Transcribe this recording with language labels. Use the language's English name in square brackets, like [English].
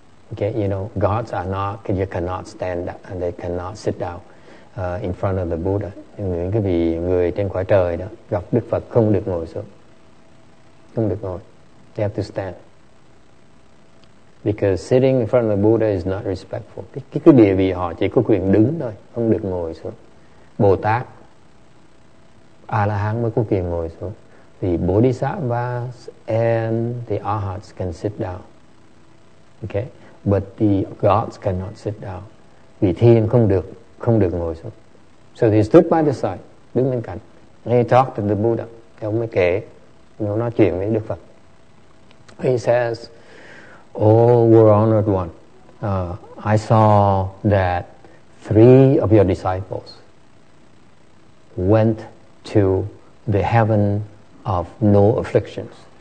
[English] Okay, you know, gods are not, you cannot stand up and they cannot sit down in front of the Buddha. [Vietnamese] Những cái vị người trên quả trời đó gặp Đức Phật không được ngồi xuống, không được ngồi, [English] they have to stand, because sitting in front of the Buddha is not respectful. [Vietnamese] Cái địa vị họ chỉ có quyền đứng thôi, không được ngồi xuống. Bồ Tát, A-la-hán mới có quyền ngồi xuống. [English] The Bodhisattvas and the Arhats can sit down. Okay, but the gods cannot sit down. [Vietnamese] Vì thiên không được ngồi xuống. [English] So he stood by the side, [Vietnamese] đứng bên cạnh. [English] He talked to the Buddha. [Vietnamese] Thì ông mới kể, ông nói chuyện với Đức Phật. [English] He says, "Oh, we're honored one. I saw that three of your disciples went to the heaven of no afflictions."